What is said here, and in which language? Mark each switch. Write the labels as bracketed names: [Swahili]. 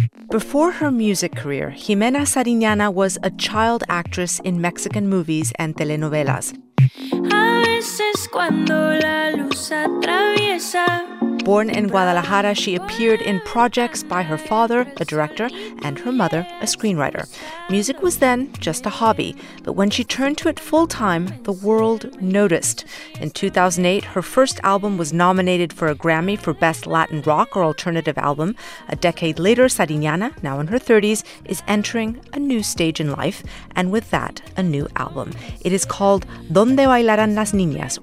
[English] Before her music career, Ximena Sariñana was a child actress in Mexican movies and telenovelas. [Spanish] A veces cuando la luz atraviesa. [English] Born in Guadalajara, she appeared in projects by her father, a director, and her mother, a screenwriter. Music was then just a hobby, but when she turned to it full-time, the world noticed. In 2008, her first album was nominated for a Grammy for Best Latin Rock or Alternative Album. A decade later, Sariñana, now in her 30s, is entering a new stage in life, and with that, a new album. It is called ¿Dónde bailarán las niñas?